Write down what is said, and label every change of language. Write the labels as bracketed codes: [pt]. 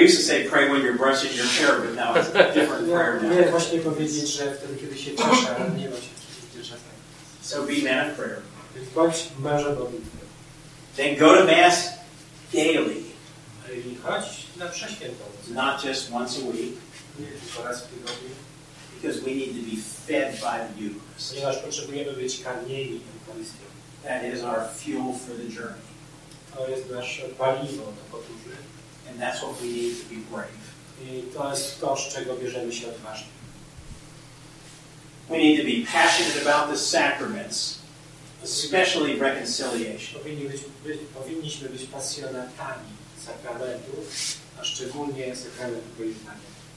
[en] used to say pray when you're brushing your hair, but now it's a different prayer. [pl] Nie, właśnie powiedzieć, że wtedy, kiedy się czesza, nie ma się czasem. [en] So be man of prayer. [pl] Bądź mężem modlitwy. [en] Then go to mass daily. [pl] I chodź na prześwięto. [en] Not just once a week. [pl] Nie tylko raz w tygodniu. [en] Because we need to be fed by the Eucharist. [pl] Ponieważ potrzebujemy być karmieni Eucharystią. [en] That is our fuel for the journey. [pl] To jest nasze paliwo do podróży. [en] And that's what we need to be brave. [pl] I to jest to, z czego bierzemy się odważnie. [en] We need to be passionate about the sacraments, especially reconciliation. [pl] Powinniśmy być pasjonatami sakramentów, a szczególnie sakramentu pojednania.